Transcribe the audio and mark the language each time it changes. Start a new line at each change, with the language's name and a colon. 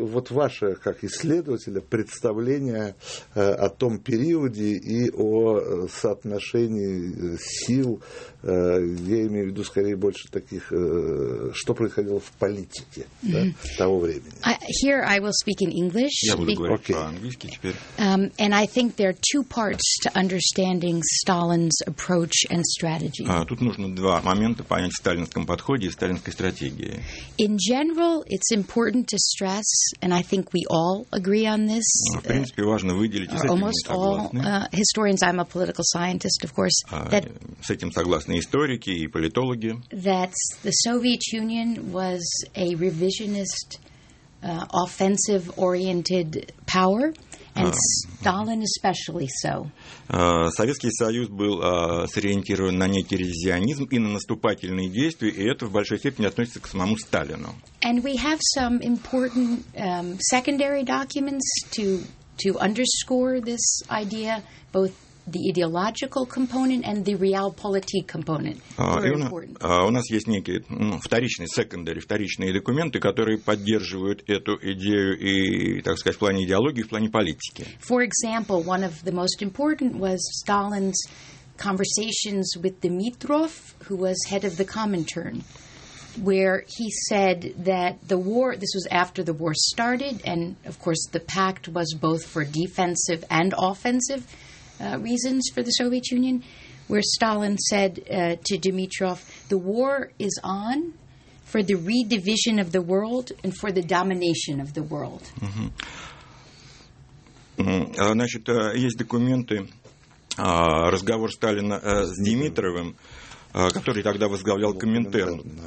Russian: Ваше, как исследователя, представление о том периоде и о соотношении сил, я имею в виду, скорее, больше таких, что происходило в политике того времени.
English: I will speak in English.
Russian: Я буду говорить по-английски теперь.
English: And I think there are two parts to understanding Stalin's approach and strategy.
Russian: Тут нужно два момента понять в сталинском подходе и сталинской стратегии.
English: In general, it's important to stress, and I think we all agree on this.
Russian: В принципе, важно выделить, с этим мы согласны.
English: All historians, I'm a political scientist, of course.
Russian: С этим согласны историки и политологи.
English: That the Soviet Union was a revisionist offensive-oriented power, and Stalin especially so.
Russian: Советский Союз был сориентирован на некий ревизионизм и на наступательные действия, и это в большой степени относится к самому Сталину.
English: And we have some important secondary documents to underscore this idea, both the ideological component and the realpolitik component.
Russian: У нас есть некие вторичные документы, которые поддерживают эту идею и, так сказать, в плане идеологии, в плане политики.
English: For example, one of the most important was Stalin's conversations with Dimitrov, who was head of the Comintern, where he said that the war, this was after the war started, and of course the pact was both for defensive and offensive reasons for the Soviet Union, where Stalin said to Dimitrov, the war is on for the redivision of the world and for the domination of the world. Mm-hmm.
Russian: Значит, есть документы, разговор Сталина с Дмитровым, который тогда возглавлял Коминтерн.